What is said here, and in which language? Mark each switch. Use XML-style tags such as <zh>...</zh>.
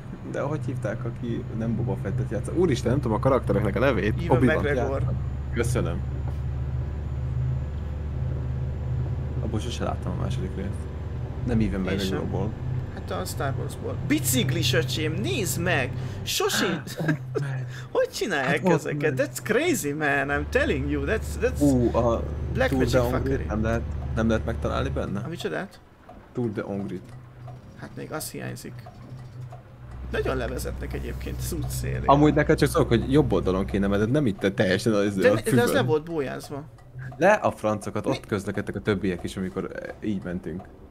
<hu>De hogy hívták, aki nem Boba Fettet játsza? Úristen, nem tudom a karaktereknek a nevét. Ivan Obi-Wan McGregor. Játsza. Köszönöm. Abból sose láttam a második részt. Nem Ivan McGregorból. Hát a Star Warsból. Biciklis öcsém, nézd meg! Sosi... hogy csinálják hát ezeket?</hu> <en>That's crazy man, I'm telling you, that's...</en> <hu>A</hu> <en>Black Magic fuckery.</en> <hu>Nem lehet megtalálni benne? A micsodát? Tour de Hongrit. Hát még az hiányzik. Nagyon levezetnek egyébként az út szélén. Amúgy neked csak szólok, hogy jobb oldalon kéne, mert nem itt teljesen az de, a fügön. De az le volt bójázva. Le a francokat, ott közlekedtek a többiek is, amikor így mentünk.</hu>